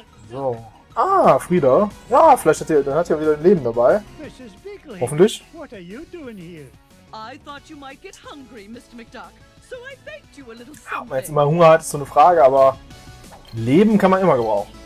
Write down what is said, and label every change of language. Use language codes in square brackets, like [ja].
[de] So. Ah, Frieda. Ja, vielleicht hat er, dann hat er wieder ein Leben dabei. Hoffentlich. [en] What are you doing here? I thought you might get hungry, Mr. McDuck. So I baked you a little something. [de] Ob man jetzt immer Hunger hat, ist so eine Frage, aber Leben kann man immer gebrauchen.